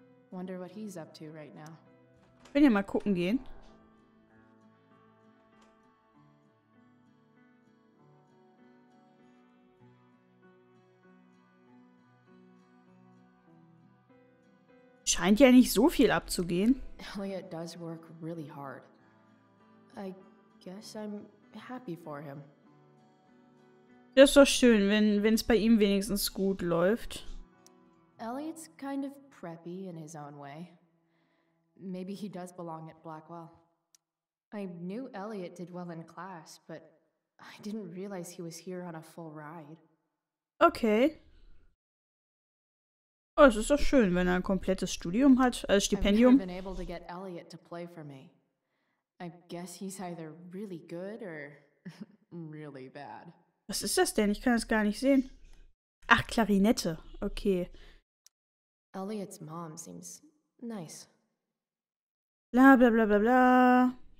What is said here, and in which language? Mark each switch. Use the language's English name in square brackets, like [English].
[English] Wonder what he's up to right now. [German] Können wir mal gucken gehen? Scheint ja nicht so viel abzugehen. [English] Elliot does work really hard. I guess I'm happy for him. [German] Das ist doch schön, wenn es bei ihm wenigstens gut läuft. [English] Elliot's kind of preppy in his own way. Maybe he does belong at Blackwell. I knew Elliot did well in class, but I didn't realize he was here on a full ride. Okay. [German] Oh, es ist doch schön, wenn ein komplettes Studium hat, Stipendium. [English] I've never been able to get Elliot to play for me. I guess he's either really good or really bad. [German] Was ist das denn? Ich kann es gar nicht sehen. Ach, Klarinette. Okay. [English] Elliot's mom seems nice. Bla bla bla bla bla.